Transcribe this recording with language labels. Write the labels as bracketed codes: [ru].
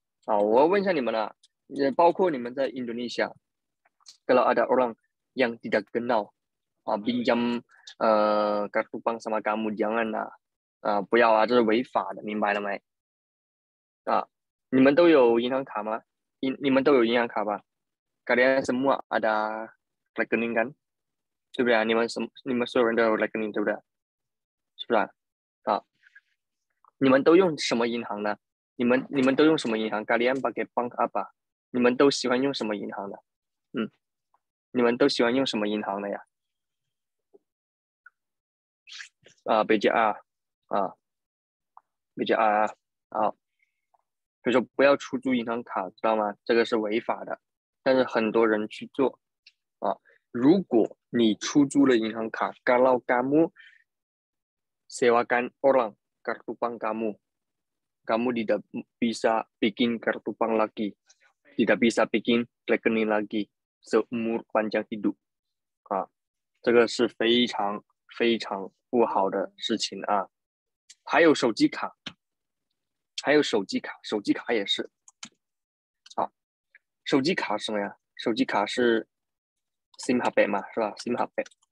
[zh] 好，我要问一下你们啊，也包括你们在印度尼西亚， [id] kalau ada orang yang tidak kenal, pinjam kartu bank sama kamu jangan lah, [zh] 不要啊，这是违法的，明白了没？你们都有银行卡吗？你们都有银行卡吧？ [id] Kalian semua ada rekening kan？ [zh] 对不对啊？你们所有人都有 rekening 对不对？是不是你们都用什么银行呢？你们都用什么银行？ [id] Kalian pakai bank apa？ [zh] 你们都喜欢用什么银行的？你们都喜欢用什么银行的呀？ BGR BGR 好，所以说不要出租银行卡，知道吗？这个是违法的，但是很多人去做如果你出租了银行卡， [id] kalau kamu sewakan orang kartu bank kamu tidak bisa bikin kartu bank lagi, tidak bisa bikin rekening lagi seumur panjang hidup. [zh] 这个是非常非常不好的事情啊。还有手机卡，还有手机卡也是。手机卡什么呀？手机卡是 SIM 卡呗嘛，是吧？SIM 卡呗。